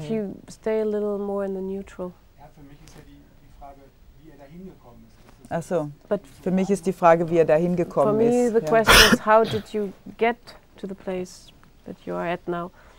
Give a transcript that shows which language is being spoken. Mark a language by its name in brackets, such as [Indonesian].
[English] That you stay a little more in the neutral. [German] Ja, für mich ist ja die Frage, wie er da hingekommen ist. Ach so. Für mich ist die Frage, wie er da hingekommen ist. [English] For me the question is, how did you get to the place that you are at now?